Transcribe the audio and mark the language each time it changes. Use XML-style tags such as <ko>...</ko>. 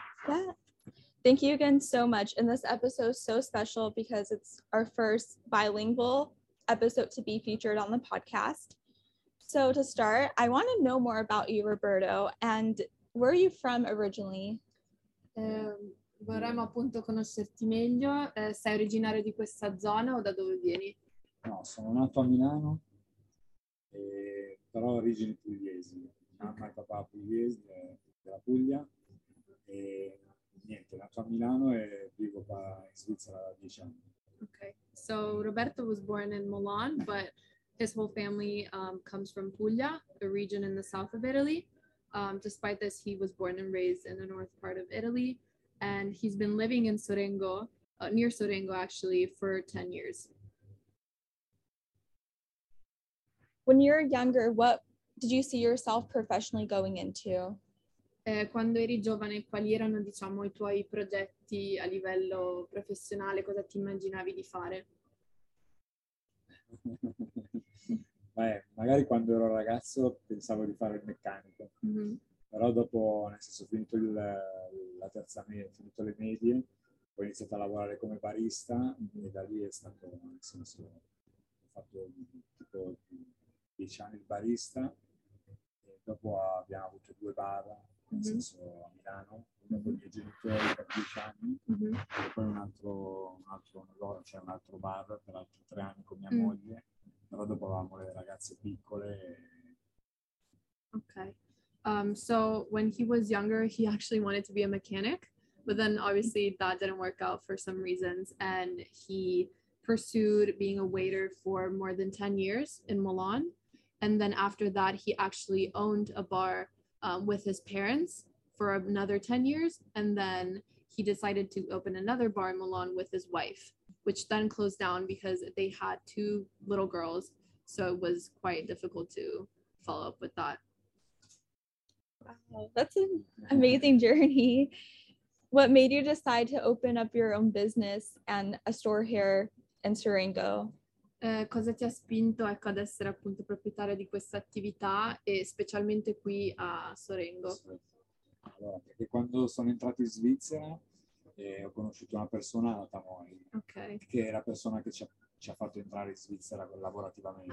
<en>Yeah. Thank you again so much. And this episode is so special because it's our first bilingual episode to be featured on the podcast. So to start, I want to know more about you, Roberto, and where are you from originally?</en> <it>Vorremmo appunto conoscerti meglio. Sei originario di questa zona o da dove vieni? No, sono nato a Milano, però ho origini pugliesi. Mamma e papà pugliesi, della Puglia. E niente, nato a Milano e vivo qua in Svizzera da 10 anni.</it> <en>Okay, so Roberto was born in Milan, but his whole family comes from Puglia, a region in the south of Italy. Despite this, he was born and raised in the north part of Italy. And he's been living in Sarango, near Sarango actually, for 10 years. When you were younger, what did you see yourself professionally going into?</en> <it>Quando eri giovane, quali erano, diciamo, i tuoi progetti a livello professionale? Cosa ti immaginavi di fare? Beh, magari quando ero ragazzo pensavo di fare il meccanico. Mm-hmm. Però dopo, nel senso, finito la terza media, finito le medie, ho iniziato a lavorare come barista e da lì è stato, nel senso, ho fatto tipo 10 anni il barista e dopo abbiamo avuto 2 bar, nel senso, a Milano, uno con i miei genitori per 10 anni e poi un altro bar per altri 3 anni con mia moglie, però dopo avevamo le ragazze piccole. Ok.</it> <en>So when he was younger, he actually wanted to be a mechanic, but then obviously that didn't work out for some reasons. And he pursued being a waiter for more than 10 years in Milan. And then after that, he actually owned a bar with his parents for another 10 years. And then he decided to open another bar in Milan with his wife, which then closed down because they had 2 little girls. So it was quite difficult to follow up with that. Wow, that's an amazing journey. What made you decide to open up your own business and a store here in Sarango?</en> <it>Cosa ti ha spinto, ecco, ad essere appunto proprietario di questa attività e specialmente qui a Sarango? Allora, perché quando sono entrato in Svizzera ho conosciuto una persona, Tamori, okay, che è la persona che ci ha fatto entrare in Svizzera lavorativamente.</it>